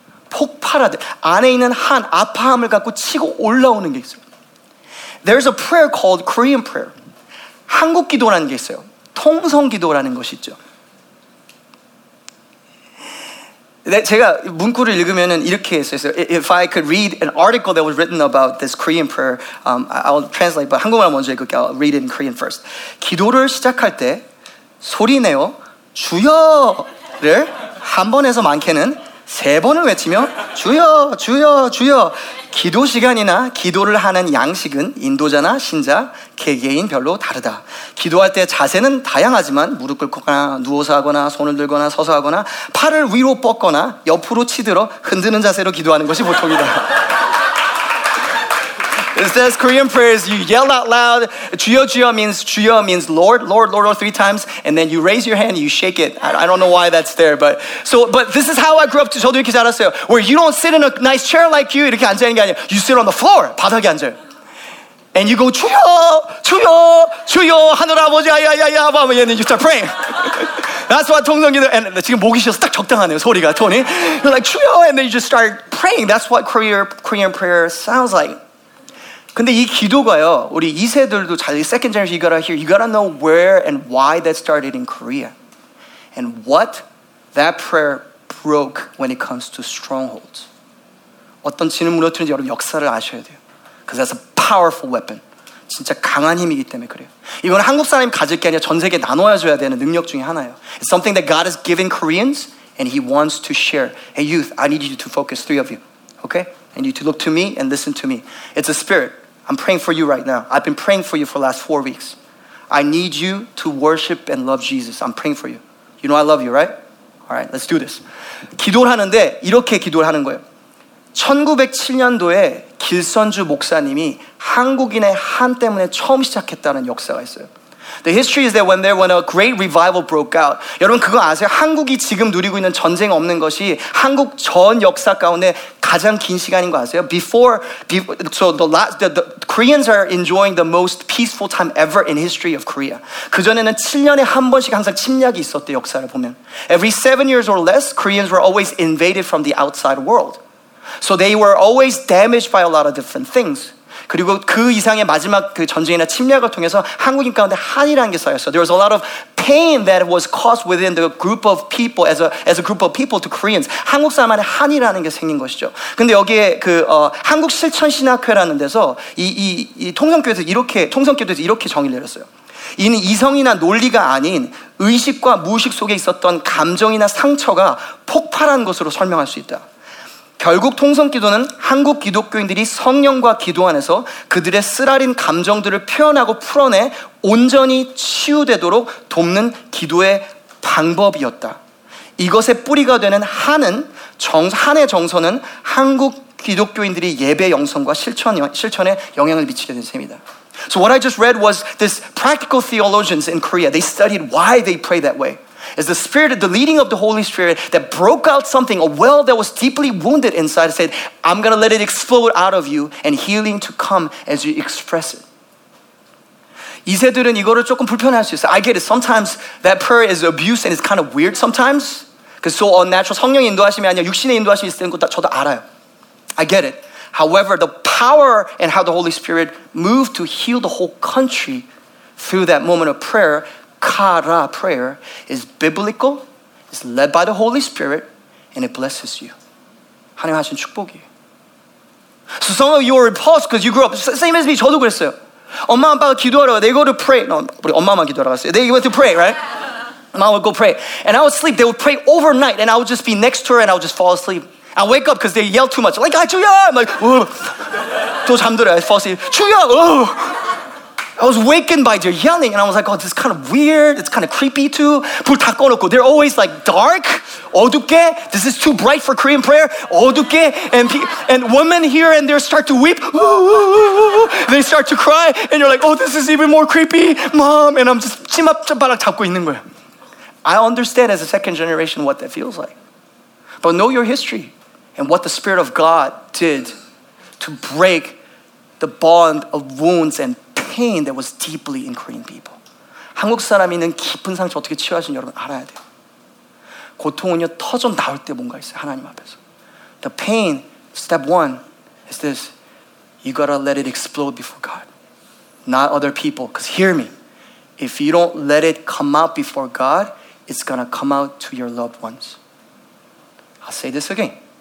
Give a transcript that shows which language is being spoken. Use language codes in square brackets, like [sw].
[ko] 폭발하듯 안에 있는 한 아파함을 갖고 치고 올라오는 게 있어요. [en] There's a prayer called Korean prayer. [ko] 한국 기도라는 게 있어요. 통성 기도라는 것이 있죠. 제가 문구를 읽으면 이렇게 써있어요. [en] If I could read an article that was written about this Korean prayer, I'll translate, but [ko] 한국말 먼저 읽을게요. [en] I'll read it in Korean first. [ko] 기도를 시작할 때 소리내어 주여를 한 번에서 많게는 세 번을 외치며 주여, 주여, 주여. 기도 시간이나 기도를 하는 양식은 인도자나 신자, 개개인별로 다르다. 기도할 때 자세는 다양하지만 무릎 꿇거나 누워서 하거나 손을 들거나 서서 하거나 팔을 위로 뻗거나 옆으로 치들어 흔드는 자세로 기도하는 것이 보통이다. [en] It says Korean prayers, you yell out loud. 주여 means Lord, Lord, Lord, Lord, three times. And then you raise your hand and you shake it. I don't know why that's there. But this is how I grew up. [ko] 저도 이렇게 자랐어요. [en] Where you don't sit in a nice chair like you, [ko] 이렇게 앉아있는 게 아니에요. [en] You sit on the floor, [ko] 바닥에 앉아요. [en] And you go, [ko] 주여, 주여, 주여, 하늘 아버지, 아야야야, 아버지, [en] and then you start praying. That's what [ko] 통성기도, and 지금 목이 쉬어서 딱 적당하네요, 소리가, 톤이. [en] You're like, 주여, and then you just start praying. That's what Korean prayer sounds like. [ko] 근데 이 기도가요, 우리 2세들도 잘, [en] second generation, you gotta hear, you gotta know where and why that started in Korea. And what that prayer broke when it comes to strongholds. [ko] 어떤 진을 무너뜨리는지 여러분 역사를 아셔야 돼요. [en] Because that's a powerful weapon. [ko] 진짜 강한 힘이기 때문에 그래요. 이건 한국 사람이 가질 게 아니라 전 세계에 나눠줘야 되는 능력 중에 하나예요. [en] It's something that God has given Koreans and he wants to share. Hey youth, I need you to focus, three of you. Okay? And you to look to me and listen to me. It's a spirit. I'm praying for you right now. I've been praying for you for the last 4 weeks. I need you to worship and love Jesus. I'm praying for you. You know I love you, right? All right, let's do this. [ko] 기도를 하는데 이렇게 기도를 하는 거예요. 1907년도에 길선주 목사님이 한국인의 한 때문에 처음 시작했다는 역사가 있어요. [en] The history is that when a great revival broke out, [ko] 여러분 그거 아세요? 한국이 지금 누리고 있는 전쟁 없는 것이 한국 전 역사 가운데 가장 긴 시간인 거 아세요? [en] So the Koreans are enjoying the most peaceful time ever in history of Korea. [ko] 그 전에는 7년에 한 번씩 항상 침략이 있었대 역사를 보면. [en] Every 7 years or less, Koreans were always invaded from the outside world. So they were always damaged by a lot of different things. [ko] 그리고 그 이상의 마지막 그 전쟁이나 침략을 통해서 한국인 가운데 한이라는 게 쌓였어. [en] There was a lot of pain that was caused within the group of people as a group of people to Koreans. [ko] 한국 사람 안에 한이라는 게 생긴 것이죠. 근데 여기에 그 한국 실천 신학회라는 데서 이 통성교에서 이렇게 통성교도에서 이렇게 정의를 내렸어요. 이는 이성이나 논리가 아닌 의식과 무의식 속에 있었던 감정이나 상처가 폭발한 것으로 설명할 수 있다. 결국 통성 기도는 한국 기독교인들이 성령과 기도 안에서 그들의 쓰라린 감정들을 표현하고 풀어내 온전히 치유되도록 돕는 기도의 방법이었다. 이것의 뿌리가 되는 한의 정서는 한국 기독교인들이 예배 영성과 실천에 영향을 미치게 된 셈이다. [en] So what I just read was this practical theologians in Korea, they studied why they pray that way. Is the spirit, the leading of the Holy Spirit that broke out something, a well that was deeply wounded inside, said, I'm going to let it explode out of you and healing to come as you express it. [ko] 이세들은 이거를 조금 불편할 수 있어요. [en] I get it. Sometimes that prayer is abuse and it's kind of weird sometimes. Because so unnatural. [ko] 성령의 인도하심이 아니라 육신의 인도하심이 있다는 것도 저도 알아요. [en] I get it. However, the power and how the Holy Spirit moved to heal the whole country through that moment of prayer, kara prayer, is biblical, is led by the Holy Spirit, and it blesses you. [ko] 하나님 하신 축복이에요. [en] So some of you are repulsed because you grew up same as me. [ko] 저도 그랬어요. 엄마 아빠가 기도하러 [en] they go to pray. No, [ko] 우리 엄마만 기도하러 갔어요. [en] They went to pray, right? Mom would go pray. And I would sleep. They would pray overnight and I would just be next to her and I would just fall asleep. I wake up because they yell too much. Like, [ko] 아, 주여! [en] I'm like, oh. [ko] 또 잠들어요. [en] I fall asleep. [ko] 주여! [en] Oh. I was wakened by their yelling and I was like, oh, this is kind of weird. It's kind of creepy too. [ko] 불 다 꺼놓고. [en] They're always like dark, [ko] 어둡게. [en] This is too bright for Korean prayer. [ko] 어둡게. [en] And women here and they start to weep. They start to cry and you're like, oh, this is even more creepy, Mom. And I'm just [ko] 찜바닥 잡고 있는 거예요. [en] I understand as a second generation what that feels like. But know your history and what the Spirit of God did to break the bond of wounds and pain that was deeply in Korean people. [ko] 한국 사람이 있는 깊은 상처 어떻게 치유하신지 여러분 알아야 돼요. 고통은요, 터져 나올 때 뭔가 있어요, 하나님 앞에서. [en] The pain, step one, is this. You gotta let it explode before God, not other people. Because hear me, if you don't let it come out before God, it's gonna come out to your loved ones. I'll say this again.